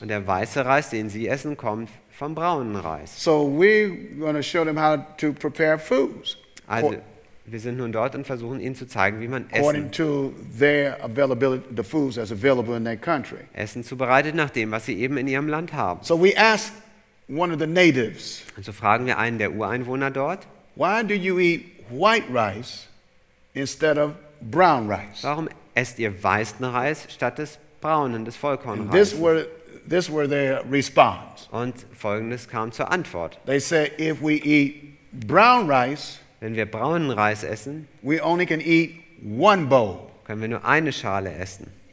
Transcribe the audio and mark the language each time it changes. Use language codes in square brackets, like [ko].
[de] Und der weiße Reis, den sie essen, kommt vom braunen Reis. [en] So we're going to show them how to prepare foods. [de] Also, wir sind nun dort und versuchen ihnen zu zeigen, wie man essen. [en] According to their availability, the foods as available in their country. [de] Essen zubereitet nach dem, was sie eben in ihrem Land haben. [en] So we ask one of the natives. [de] Und so fragen wir einen der Ureinwohner dort. [en] Why do you eat white rice instead of brown rice? [de] Warum esst ihr weißen Reis statt des braunen, des Vollkornreises? [en] This were their response. [de] Und folgendes kam zur Antwort. [en] They said, if we eat brown rice, [de] wenn wir braunen Reis essen, [en] we only can eat one bowl. [de] Können wir nur eine Schale essen.